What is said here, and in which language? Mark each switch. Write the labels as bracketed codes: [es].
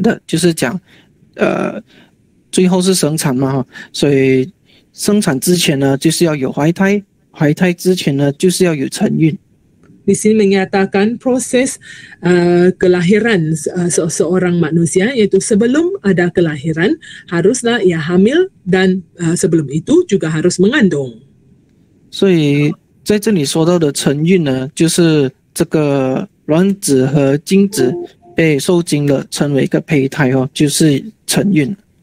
[zh] 所以在这里圣经也是有讲到，我们人是怎样生产的，就是讲 最后是生产嘛，所以生产之前呢，就是要有怀胎，怀胎之前呢，就是要有成孕。 [ms] Di sini menyatakan proses kelahiran seorang manusia, yaitu sebelum ada kelahiran haruslah ia hamil dan sebelum itu juga harus mengandung. [zh] 所以在这里说到的成孕呢，就是这个卵子和精子被受精了，成为一个胚胎哦，就是成孕。